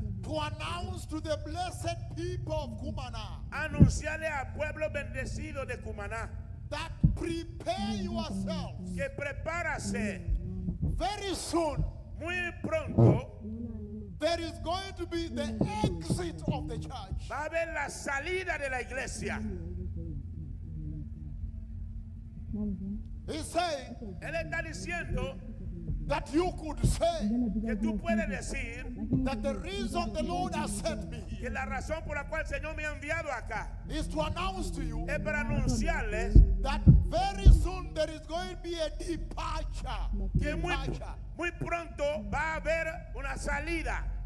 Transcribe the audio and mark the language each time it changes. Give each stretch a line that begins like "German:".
English: to announce to the blessed people of Cumaná,
Spanish: anunciarle al pueblo bendecido de Cumaná,
English: that prepare yourselves,
Spanish: que prepárase,
English: very soon,
Spanish: muy pronto,
English: there is going to be the exit of the church,
Spanish: va a haber la salida de la iglesia.
English: He saying,
Spanish: él está diciendo,
English: that you could say,
Spanish: que tú puedes decir,
English: that the reason the Lord has sent me here,
Spanish: que la razón por la cual el Señor me ha enviado acá,
English: is to announce to you,
Spanish: es para anunciarles,
English: that very soon there is going to be a departure,
Spanish: que muy pronto va a haber una salida,